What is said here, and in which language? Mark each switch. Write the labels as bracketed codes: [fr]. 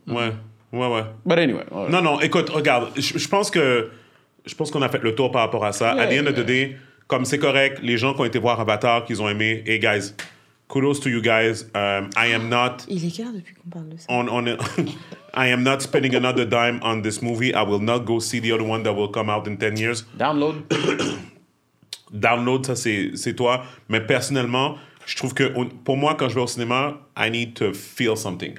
[fr] Ouais. [en] But anyway. [fr] Non, écoute, regarde. Je pense qu'on a fait le tour par rapport à ça. [en] Yeah, Alien yeah. [fr] 2D, comme c'est correct, les gens qui ont été voir Avatar, qu'ils ont aimé, [en] hey guys, kudos to you guys. I am not... [fr] Il est clair depuis qu'on parle de ça. [en] I am not spending another dime on this movie. I will not go see the other one that will come out in 10 years. Download, [fr] ça c'est toi. Mais personnellement, je trouve que pour moi, quand je vais au cinéma, [en] I need to feel something.